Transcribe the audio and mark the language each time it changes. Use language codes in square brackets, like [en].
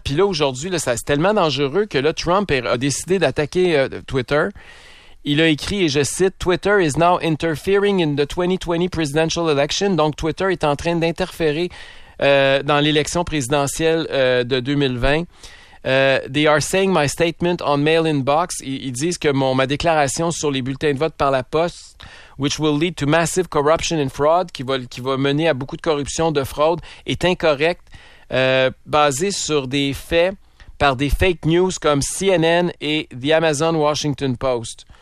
[fr] Puis là, aujourd'hui, là, c'est tellement dangereux que là, Trump a décidé d'attaquer Twitter. Il a écrit, et je cite, « [en] Twitter is now interfering in the 2020 presidential election. [fr] » Donc, Twitter est en train d'interférer dans l'élection présidentielle de 2020. [en] They are saying my statement on mail-in box. [fr] Ils disent que ma déclaration sur les bulletins de vote par la poste, [en] which will lead to massive corruption and fraud, [fr] qui va mener à beaucoup de corruption, de fraude, est incorrect, basée sur des faits par des fake news comme CNN et The Amazon Washington Post.